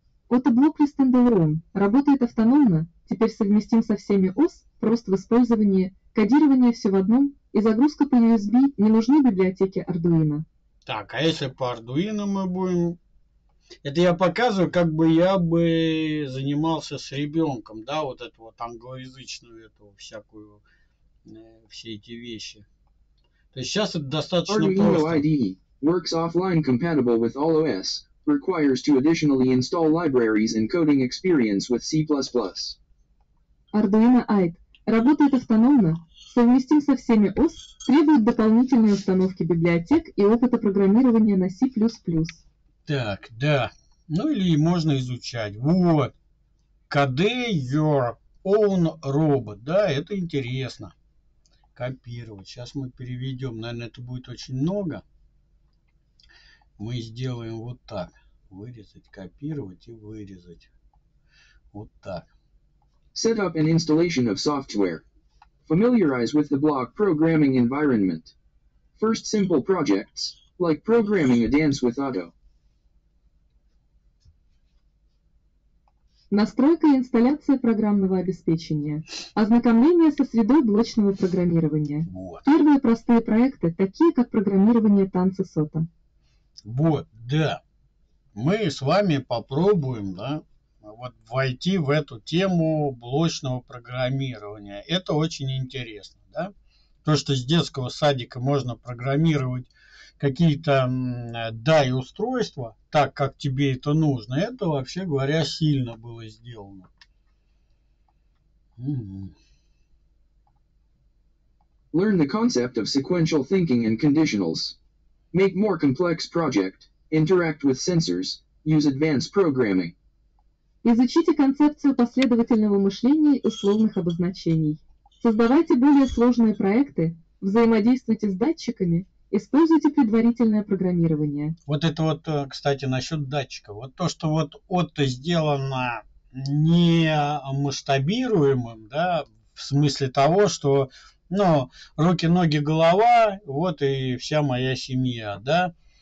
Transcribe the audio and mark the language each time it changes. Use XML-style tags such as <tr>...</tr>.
<ru>Отто Блокли Standalone работает автономно, теперь совместим со всеми ОС, просто в использовании, кодирование все в одном, и загрузка по USB не нужны библиотеки Arduino. Так, а если по Arduino мы будем... Это я показываю, как бы я бы занимался с ребенком, да, вот эту вот англоязычную, эту всякую, все эти вещи. То есть сейчас это достаточно Arduino просто.</ru> <en>IDE works offline compatible with all OS, requires to additionally install libraries and coding experience with C++.</en> <ru>Arduino IDE работает автономно, совместим со всеми ОС, требует дополнительной установки библиотек и опыта программирования на C++. Так, да. Ну или можно изучать. Вот.</ru> <en>KD your own robot.</en> <ru>Да, это интересно. Копировать. Сейчас мы переведем. Наверное, это будет очень много. Мы сделаем вот так. Вырезать, копировать и вырезать. Вот так.</ru> <en>Set up an installation of software. Familiarize with the block programming environment. First simple projects, like programming a dance with Otto.</en> <ru>Настройка и инсталляция программного обеспечения. Ознакомление со средой блочного программирования. Вот. Первые простые проекты, такие как программирование танца сота. Вот, да. Мы с вами попробуем, да, вот войти в эту тему блочного программирования. Это очень интересно, да. То, что с детского садика можно программировать какие-то DAI устройства так, как тебе это нужно, это, вообще говоря, сильно было сделано.</ru> <en>Learn the concept of sequential thinking and conditionals. Make more complex project, interact with sensors, Use advanced programming.</en> <ru>Изучите концепцию последовательного мышления и условных обозначений. Создавайте более сложные проекты, взаимодействуйте с датчиками, используйте предварительное программирование. Вот это вот, кстати, насчет датчика. Вот то, что вот Отто сделано не масштабируемым, да, в смысле того, что, ну, руки, ноги, голова, вот и вся моя семья, да.</ru>